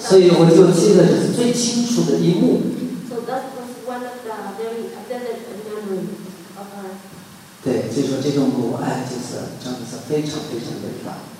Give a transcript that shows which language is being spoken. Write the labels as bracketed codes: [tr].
[zh] 所以我就记得这是最清楚的一幕。 [en] So that was one of the very vivid memories of her. [zh] 对，就说这种母爱就是真的是非常非常伟大。